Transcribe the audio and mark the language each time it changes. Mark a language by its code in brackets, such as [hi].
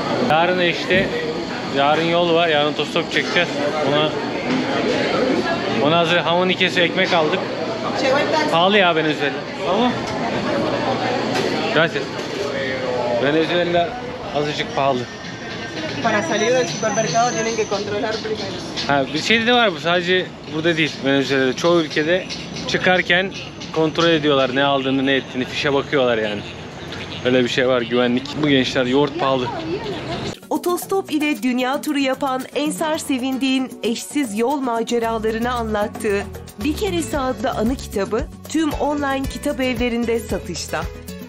[tr] Yarın işte yarın yol var. Yarın otostop çekeceğiz. Ona hazır hamon 2'si ekmek aldık. Pahalı ya Venezuela. Ama gracias. Venezuela azıcık pahalı. [es] Para salir del supermercado tienen que controlar primero. [tr] Ha, bir şey de var bu. Sadece burada değil. Venezuela'da çoğu ülkede çıkarken kontrol ediyorlar ne aldığını, ne ettiğini. Fişe bakıyorlar yani. Öyle bir şey var, güvenlik. Bu gençler yoğurt pahalı. otostop ile dünya turu yapan Ensar Sevindik'in eşsiz yol maceralarını anlattığı Bir Keresi adlı anı kitabı tüm online kitap evlerinde satışta.